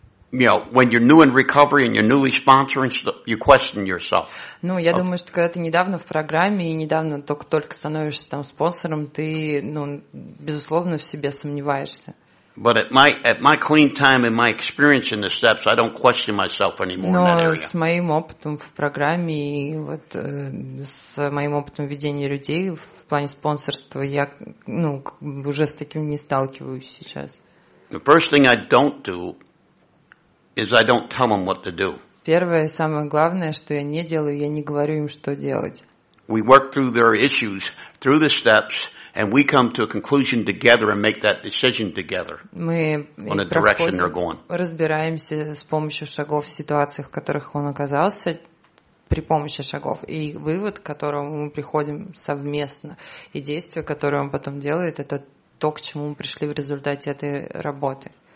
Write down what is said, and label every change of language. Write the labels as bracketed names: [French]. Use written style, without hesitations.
[English] you know, when you're new in recovery and you're newly sponsoring, you question yourself. [Russian] Ну, я думаю, что когда ты недавно в программе и недавно только-только становишься там спонсором, ты, ну, безусловно, в себе сомневаешься. [English] But at my clean time and my experience in the steps, I don't question myself anymore. [Russian] Но [English] in that area. [Russian] С моим опытом в программе и вот с моим опытом ведения людей в плане спонсорства я, ну, уже с таким не сталкиваюсь сейчас. [English] The first thing I don't do is I don't tell them what to do. [Russian] Первое самое главное, что я не делаю, я не говорю им, что делать. [English] We work through their issues through the steps. And we come to a conclusion together and make that decision together on the direction they're going. [Russian] Мы разбираемся с помощью шагов в ситуациях, в которых он оказался, при помощи шагов. И вывод, к которому мы приходим совместно, и действие, которое он потом делает, это то, к чему мы пришли в результате этой работы.